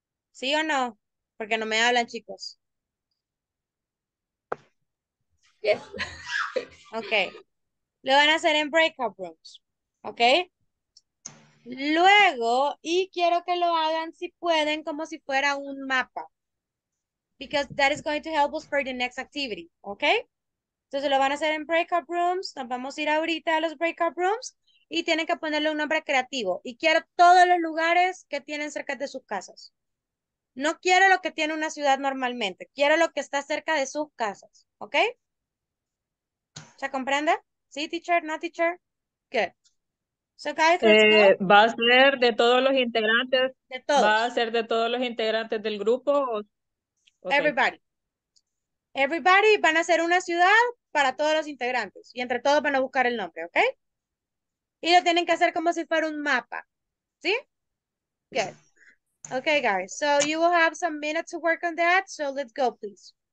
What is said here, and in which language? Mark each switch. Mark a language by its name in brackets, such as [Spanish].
[Spanish] ¿Sí o no? Porque no me hablan, chicos. [English] Yes. [Spanish] Ok. Lo van a hacer en breakout rooms. Ok. Luego, y quiero que lo hagan si pueden, como si fuera un mapa. [English] Because that is going to help us for the next activity. Ok. [Spanish] Entonces lo van a hacer en breakout rooms. Nos vamos a ir ahorita a los breakout rooms. Y tienen que ponerle un nombre creativo. Y quiero todos los lugares que tienen cerca de sus casas. No quiero lo que tiene una ciudad normalmente. Quiero lo que está cerca de sus casas. ¿Ok? ¿Se comprende? ¿Sí, teacher? ¿No, teacher? ¿Qué? [English] So, guys, let's go. [Spanish] ¿Va a ser de todos los integrantes? De todos. ¿Va a ser de todos los integrantes del grupo? [English] Okay. Everybody. [Spanish] Everybody van a ser una ciudad para todos los integrantes. Y entre todos van a buscar el nombre. ¿Ok? Y lo tienen que hacer como si fuera un mapa. ¿Sí? ¿Qué? [English] Okay, guys, so you will have some minutes to work on that, so let's go, please.